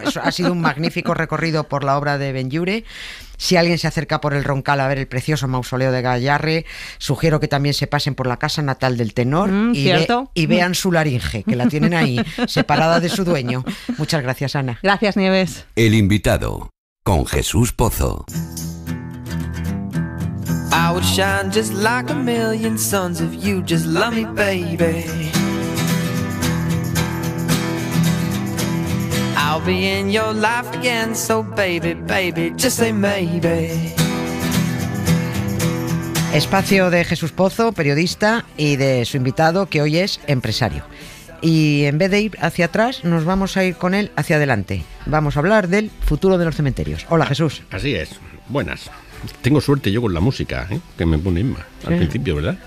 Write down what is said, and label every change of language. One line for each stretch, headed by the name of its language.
Spanish: Eso ha sido un magnífico recorrido por la obra de Benlliure. Si alguien se acerca por el Roncal a ver el precioso mausoleo de Gayarre, sugiero que también se pasen por la casa natal del tenor y vean su laringe, que la tienen ahí, separada de su dueño. Muchas gracias, Ana. Gracias, Nieves. El invitado, con Jesús Pozo.
English: I would shine just like a million suns if you just love me, baby. I'll be in your life again, so baby, baby, just say maybe.
Spanish: Espacio de Jesús Pozo, periodista, y de su invitado, que hoy es empresario. Y en vez de ir hacia atrás, nos vamos a ir con él hacia adelante. Vamos a hablar del futuro de los cementerios. Hola, Jesús. Así es. Buenas. Tengo suerte yo con la música, ¿eh? Que me pone Inma al principio, ¿verdad?